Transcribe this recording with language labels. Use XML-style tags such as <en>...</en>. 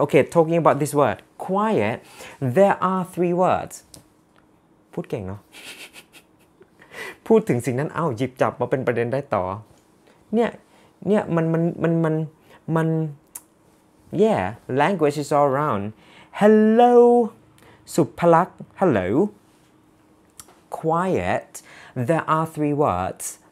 <en>Okay, talking about this word, quiet, there are three words.</en> <th>พูดเก่งเนาะพูดถึงสิ่งนั้นเอ้าหยิบจับมาเป็นประเด็นได้ต่อเนี่ยเนี่ยมัน</th> <en>yeah, language is all around. Hello, สุภลักษณ์ hello. Quiet, there are three words.</en>